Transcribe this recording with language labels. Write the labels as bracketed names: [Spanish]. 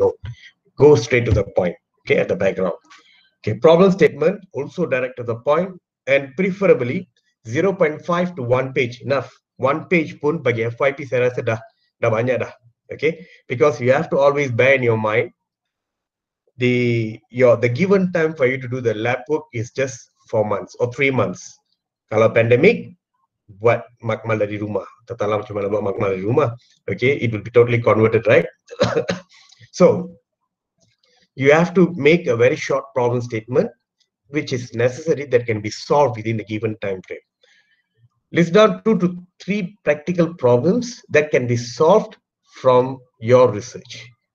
[English] No, go straight to the point. Okay, at the background. Okay, problem statement also direct to the point, and preferably 0.5 to 1 page. [Malay] Enough, 1 page pun bagi FYP saya rasa dah banyak dah. [English] Okay, because you have to always bear in your mind, the given time for you to do the lab work is just 4 months or 3 months. [Malay] Kalau pandemic, buat makmal dari rumah. Tatalah macam mana buat makmal dari rumah. [English] Okay, it will be totally converted, right? So, you have to make a very short problem statement, which is necessary, that can be solved within the given time frame. List down 2 to 3 practical problems that can be solved from your research.